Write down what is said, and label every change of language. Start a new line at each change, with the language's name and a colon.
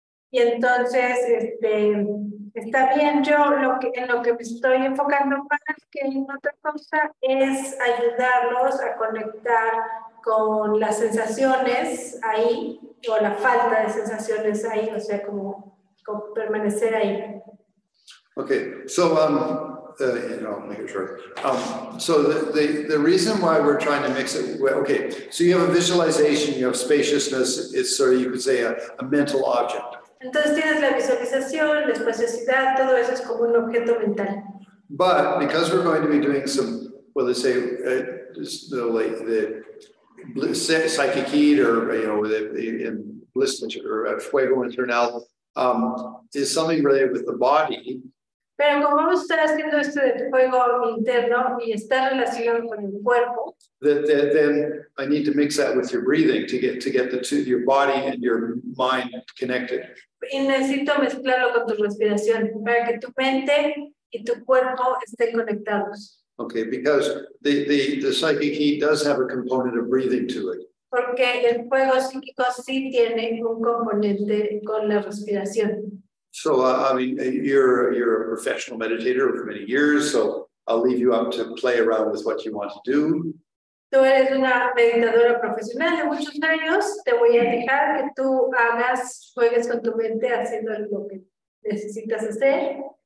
Spanish: Y entonces, está bien, yo en lo que me estoy enfocando más que en otra cosa es ayudarlos a conectar con las sensaciones ahí o la falta de sensaciones ahí, o sea, como permanecer ahí.
English: Okay, so the reason why we're trying to mix it, okay, so you have a visualization, you have spaciousness, it's sort of, you could say, a mental object.
Spanish: Entonces tienes la visualización, la espaciosidad, todo eso es como un objeto mental.
English: But because we're going to be doing some, well, let's say, the psychic heat or, in bliss, or fuego internal, is something related with the body.
Spanish: Pero como vamos a estar haciendo esto de fuego interno y está relacionado con el cuerpo.
English: Then I need to mix that with your breathing to get the two, your body and your mind connected.
Spanish: Y necesito mezclarlo con tu respiración para que tu mente y tu cuerpo estén conectados.
English: Okay, because the psychic heat does have a component of breathing to it.
Spanish: Porque el fuego psíquico sí tiene un componente con la respiración.
English: So, you're a professional meditator for many years, so I'll leave you up to play around with what you want to do.
Spanish: Tú eres una meditadora profesional de muchos años. Te voy a dejar que tú hagas, juegues con tu mente haciendo lo que necesitas hacer.